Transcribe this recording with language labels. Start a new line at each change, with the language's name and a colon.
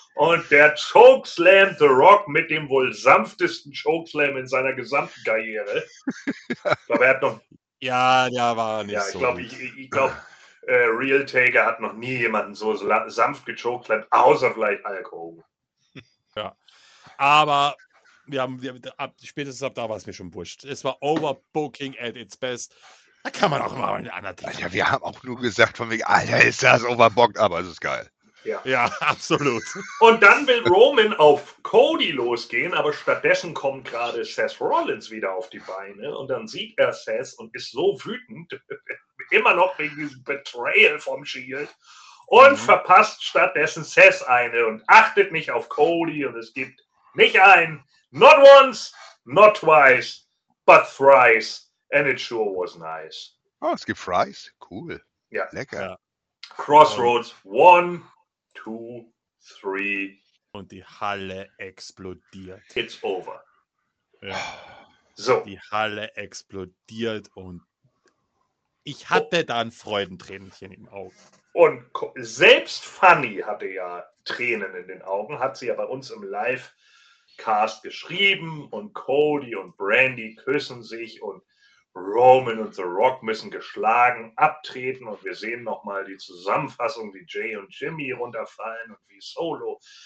German: Und der Chokeslam The Rock mit dem wohl sanftesten Chokeslam in seiner gesamten Karriere. Ich glaube, er hat noch... Ja, der war nicht ja, so. Ja, ich glaube, Real Taker hat noch nie jemanden so sanft gechokeslammt, außer vielleicht Alkohol. Ja, aber... Spätestens ab da war es mir schon wurscht. Es war
English: Overbooking at its best.
German: Da kann man auch mal einen anderen Teil. Ja, wir haben auch nur gesagt von wegen, Alter, ist das overbockt, aber es ist geil. Ja, ja, absolut. Und dann will Roman auf Cody losgehen, aber stattdessen kommt gerade Seth Rollins wieder auf die Beine und dann sieht er Seth und ist so wütend, immer noch wegen diesem Betrayal vom Shield und verpasst stattdessen Seth eine und achtet nicht auf Cody und es gibt nicht ein,
English: not once, not twice, but thrice, and it sure was nice.
German: Oh, es gibt Fries, cool. Ja. Lecker.
English: Crossroads, one, two, three.
German: Und die Halle explodiert.
English: It's over.
German: Ja. So. Die Halle explodiert und ich hatte da ein Freudentränchen im Auge. Und selbst Fanny hatte ja Tränen in den Augen, hat sie ja bei uns im Live Cast geschrieben und Cody und Brandy küssen sich und Roman und The Rock müssen geschlagen abtreten und wir sehen nochmal die Zusammenfassung, wie Jay und Jimmy runterfallen und wie Solo